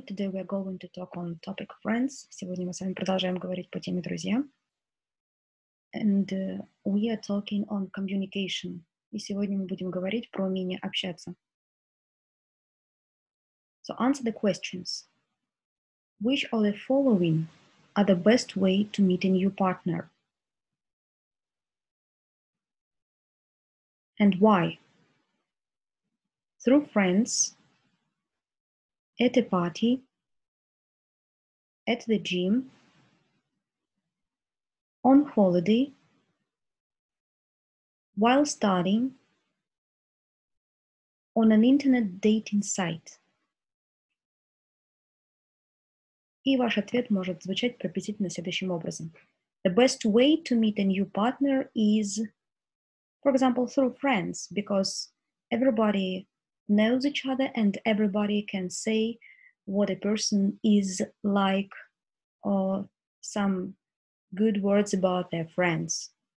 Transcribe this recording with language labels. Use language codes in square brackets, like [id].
[en] Today we're going to talk on the topic friends. [ru] Сегодня мы с вами продолжаем говорить по теме друзья. [en] And we are talking on communication. [ru] И сегодня мы будем говорить про умение общаться. [en] So answer the questions. Which of the following are the best way to meet a new partner? And why? Through friends, at a party, at the gym, on holiday, while studying, on an internet dating site. [ru] И ваш ответ может звучать приблизительно следующим образом. [en] The best way to meet a new partner is, for example, through friends, because everybody knows each other and everybody can say what a person is like or some good words about their friends.